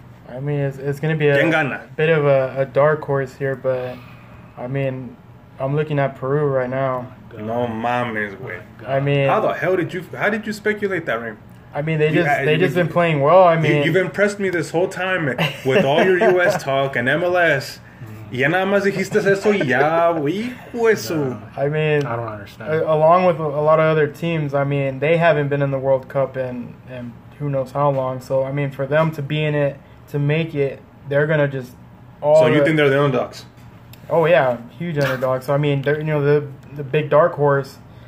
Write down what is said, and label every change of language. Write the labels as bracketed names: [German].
[English] I mean, it's going to be a bit of a dark horse here, but I mean, I'm looking at Peru right now. [Spanish] No mames, güey. [English] I mean, how did you speculate that, Ray? I mean, they've been playing well. I mean, you've impressed me this whole time with all your US talk and MLS. [Spanish] Ya nada más dijiste eso y ya, güey. [English] I mean, I don't understand. Along with a lot of other teams, I mean, they haven't been in the World Cup in who knows how long. So, I mean, for them to be in it, to make it, they're going to just Think they're the underdogs? Oh yeah, huge underdog. So I mean, the big dark horse.